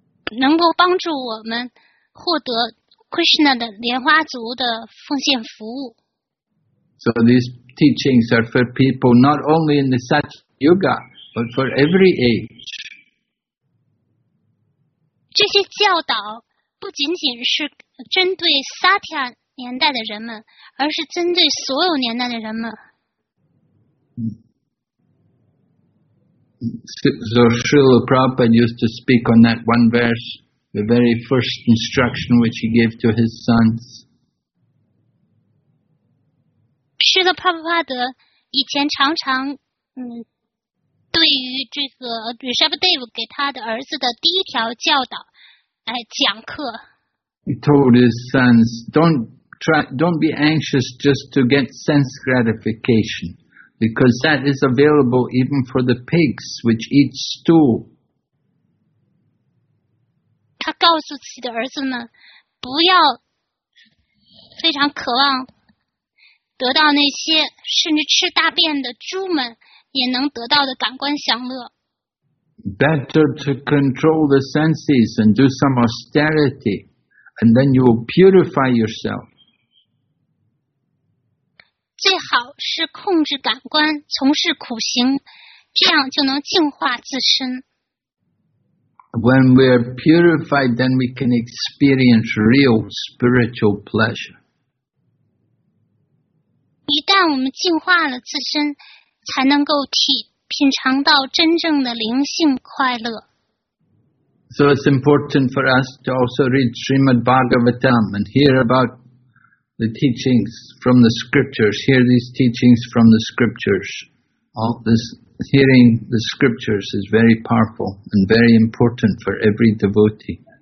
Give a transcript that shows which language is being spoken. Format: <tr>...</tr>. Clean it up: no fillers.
<zh>能够帮助我们获得 Krishna 的莲花族的奉献服务。</zh> <en>So these teachings are for people not only in the Satyuga, but for every age.</en> <zh>这些教导不仅仅是针对 Satya 年代的人们，而是针对所有年代的人们。</zh> <en>So Srila Prabhupada used to speak on that one verse. The very first instruction which he gave to his sons.</en> <zh>Srila Prabhupada 以前常常对于这个 Rishabhdev 给他的儿子的第一条教导来讲课。</zh> <en>He told his sons, don't be anxious just to get sense gratification, because that is available even for the pigs which eat stool.</en> <zh>他告诉自己的儿子们，不要非常渴望得到那些甚至吃大便的猪们也能得到的感官享乐。</zh> <en>Better to control the senses and do some austerity, and then you will purify yourself.</en> <zh>最好是控制感官，从事苦行，这样就能净化自身。</zh> <en>When we are purified, then we can experience real spiritual pleasure.</en> <zh>一旦我们净化了自身，才能够品尝到真正的灵性快乐。</zh> <en>So it's important for us to also read Srimad Bhagavatam and hear about the teachings from the scriptures, hear these teachings from the scriptures. All this... Hearing the scriptures is very powerful and very important for every devotee.</en>